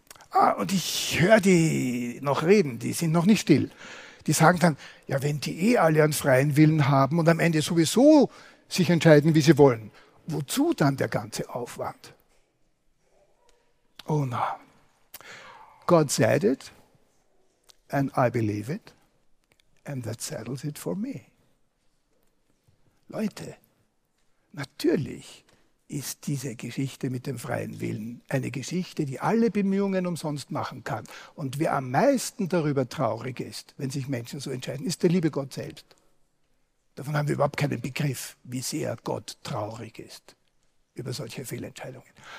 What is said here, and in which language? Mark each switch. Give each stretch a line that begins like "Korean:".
German: Ah, und ich höre die noch reden, die sind noch nicht still. Die sagen dann, ja, wenn die eh alle einen freien Willen haben und am Ende sowieso sich entscheiden, wie sie wollen, wozu dann der ganze Aufwand? Oh nein.
English: God said it, and I believe it, and that settles it for me.
German: Leute, natürlich ist diese Geschichte mit dem freien Willen eine Geschichte, die alle Bemühungen umsonst machen kann. Und wer am meisten darüber traurig ist, wenn sich Menschen so entscheiden, ist der liebe Gott selbst. Davon haben wir überhaupt keinen Begriff, wie sehr Gott traurig ist über solche Fehlentscheidungen.